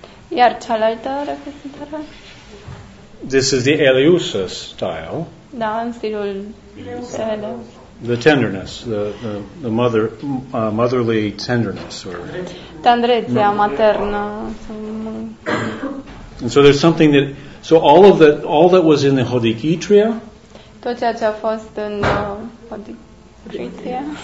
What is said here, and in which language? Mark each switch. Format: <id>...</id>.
<ro>Iar cealaltă reprezentare.</ro> <en>This is the Eleusa style.</en> <ro>Da, în stilul Eleusa.</ro> <en>The tenderness, the mother motherly tenderness, or</en> <ro>tandrețea maternă.</ro> <en>And so there's something that all that was in the Hodikitria.</en> <ro>Tot ceea ce a fost în Hodikitria.</ro>